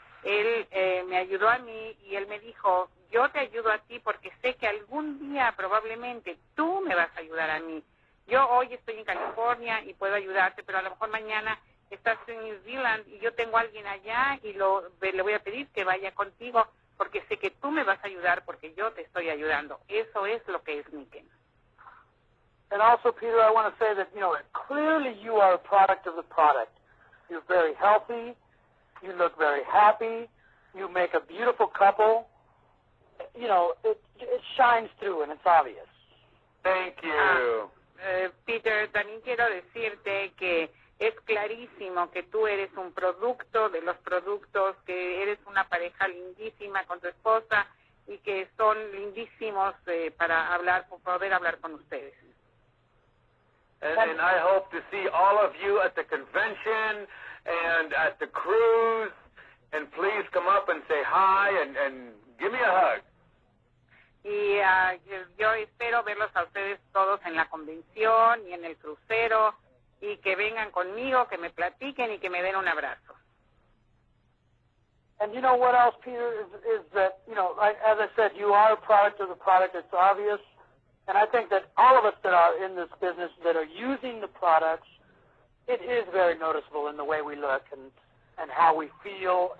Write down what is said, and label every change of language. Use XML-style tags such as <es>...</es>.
<es>Él me ayudó a mí, y él me dijo, yo te ayudo a ti porque sé que algún día probablemente tú me vas a ayudar a mí. Yo hoy estoy en California y puedo ayudarte, pero a lo mejor mañana estás en New Zealand y yo tengo a alguien allá y le voy a pedir que vaya contigo porque sé que tú me vas a ayudar porque yo te estoy ayudando. Eso es lo que es Niken.</es> <en>And also, Peter, I want to say that, you know, clearly you are a product of the product. You're very healthy. You look very happy. You make a beautiful couple. You know, it shines through and it's obvious. Thank you.</en> <es>Peter, también quiero decirte que es clarísimo que tú eres un producto de los productos, que eres una pareja lindísima con tu esposa y que son lindísimos para poder hablar con ustedes.</es> <en>And I hope to see all of you at the convention and at the cruise, and please come up and say hi and give me a hug.</en> <es>Y yo espero verlos a ustedes todos en la convención y en el crucero. Y que vengan conmigo, que me platiquen y que me den un abrazo.</es> <en>And you know what else, Peter, is that, you know, as I said, you are a product of the product. It's obvious. And I think that all of us that are in this business that are using the products, it is very noticeable in the way we look and how we feel.</en>